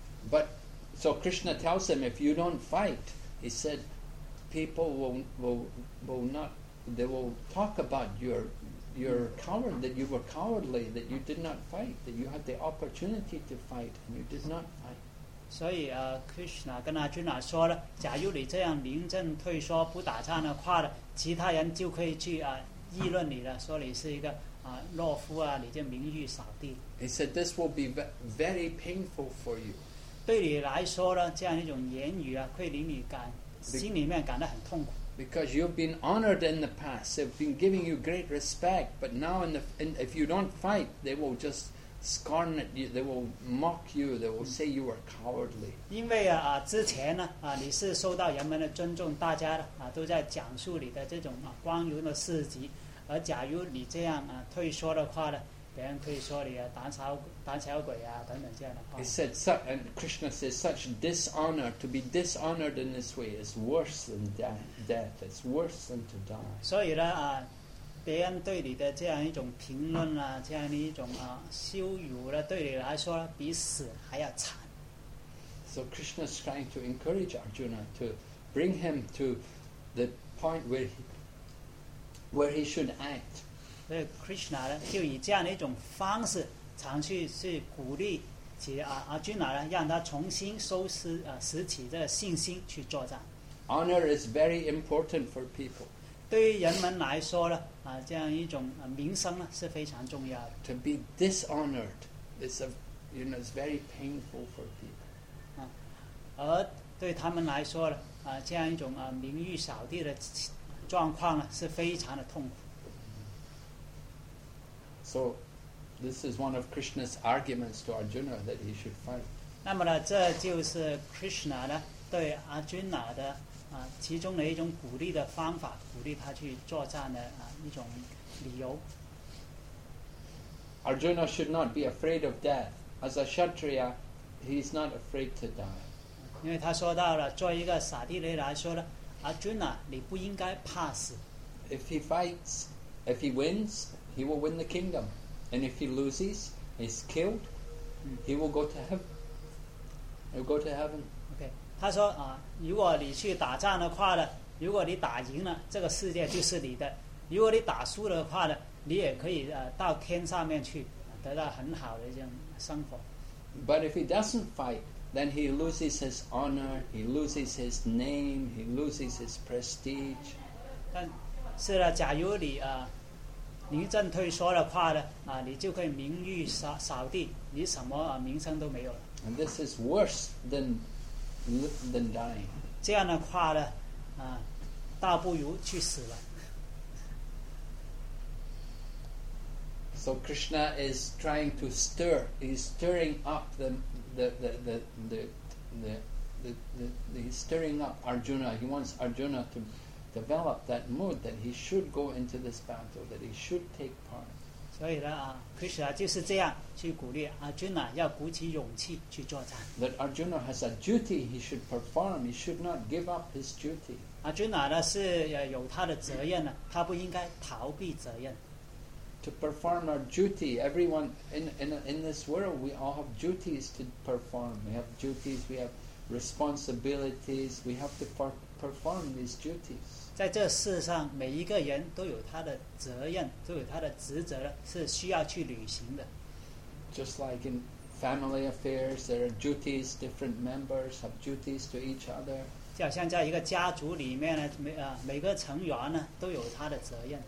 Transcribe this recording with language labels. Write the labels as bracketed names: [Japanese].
[English] But so Krishna tells him, if you don't fight, he said, people will talk about your coward, that you were cowardly, that you did not fight, that you had the opportunity to fight and you did not fight. [Chinese] 所以Krishna 跟Arjuna说了，假如你这样临阵退缩不打仗的话呢，其他人就可以去议论你了，说你是一个懦夫啊，你就名誉扫地。 [English] He said this will be very painful for you. [Chinese] 对你来说呢，这样一种言语会令你心里面感到很痛苦。 [English] Because you've been honored in the past, they've been giving you great respect, but now if you don't fight, they will just scorn at you, they will mock you, they will say you are cowardly. [Chinese] 因为之前呢你是受到人们的尊重，大家都在讲述你的这种光荣的事迹，而假如你这样退缩的话呢，别人可以说你胆小鬼啊等等这样的话。 [English] He said, and Krishna says, such dishonor, to be dishonored in this way is worse than death. It's worse than to die. [Chinese] 所以呢别人对你的这样一种评论啊，这样一种羞辱呢，对你来说比死还要惨。 [English] So Krishna is trying to encourage Arjuna to bring him to the point where he should act. [Chinese] 所以 Krishna 呢就以这样的一种方式常去鼓励其Arjuna呢，让他重新收拾拾起这个信心去作战。 [English] Honor is very important for people. [Chinese] 对于人们来说呢这样一种名声呢是非常重要的。 [English] To be dishonored is is very painful for people. [Chinese] 而对他们来说呢这样一种名誉扫地的状况呢是非常的痛苦。 [English] So, this is one of Krishna's arguments to Arjuna that he should fight. [Chinese] 那么呢，这就是 Krishna 呢对 Arjuna 的其中的一种鼓励的方法，鼓励他去作战的一种理由。 [English] Arjuna should not be afraid of death. As a Kshatriya, he is not afraid to die. [Chinese] 因为他说到了，作为一个萨帝雷来说呢 ，Arjuna 你不应该怕死。 [English] If he fights, if he wins. He will win the kingdom, and if he loses, he's killed. He will go to heaven. He'll go to heaven. Okay. [Chinese] 他说如果你去打仗的话呢，如果你打赢了，这个世界就是你的；如果你打输的话呢，你也可以到天上面去，得到很好的一种生活。 [English] But if he doesn't fight, then he loses his honor. He loses his name. He loses his prestige. [Chinese] 但是呢，假如你临阵退缩的话呢你就可以名誉扫地，你什么名声都没有了。 [English] And this is worse than dying. [Chinese] 这样的话呢倒不如去死了。 [English] So Krishna is trying to stirring up Arjuna. He wants Arjuna to. develop that mood that he should go into this battle, that he should take part. [Chinese] 所以呢，其实啊，就是这样去鼓励阿尊呐，要鼓起勇气去作战。 [English] That Arjuna has a duty he should perform. He should not give up his duty. [Chinese] 阿尊呐呢是有他的责任呢，他不应该逃避责任。 [English] To perform our duty, everyone in this world, we all have duties to perform. We have duties, we have responsibilities. We have to perform these duties. [Chinese] 在这世上，每一个人都有他的责任，都有他的职责，是需要去履行的。 [English] Just like in family affairs, there are duties. Different members have duties to each other. [Chinese] 就好像在一个家族里面呢，每个成员呢都有他的责任。